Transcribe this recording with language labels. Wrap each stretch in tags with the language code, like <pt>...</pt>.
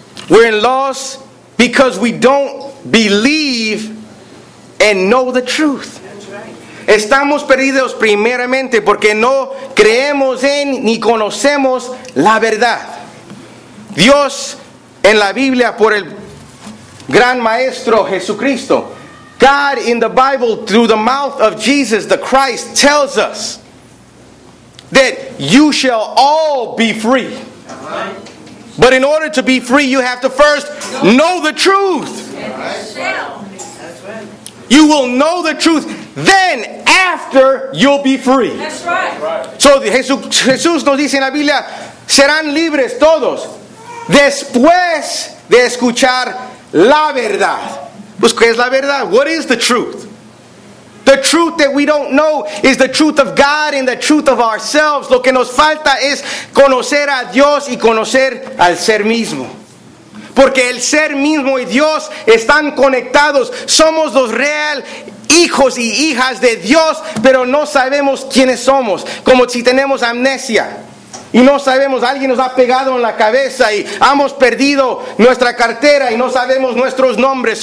<en>We're in loss because we don't believe and know the truth.</en> <es>Estamos perdidos primeramente porque no creemos en ni conocemos la verdad. Dios en la Biblia por el gran maestro Jesucristo.</es> <en>God in the Bible through the mouth of Jesus the Christ tells us that you shall all be free. But in order to be free, you have to first know the truth. You will know the truth then after you'll be free. That's right.</en> <es>So Jesús nos dice en la Biblia, serán libres todos después de escuchar la verdad. Pues, ¿qué es la verdad?</es> <en>What is the truth? The truth that we don't know is the truth of God and the truth of ourselves.</en> <es>Lo que nos falta es conocer a Dios y conocer al ser mismo. Porque el ser mismo y Dios están conectados. Somos los real hijos y hijas de Dios, pero no sabemos quiénes somos. Como si tenemos amnesia. Y no sabemos, alguien nos ha pegado en la cabeza y hemos perdido nuestra cartera y no sabemos nuestros nombres.</es>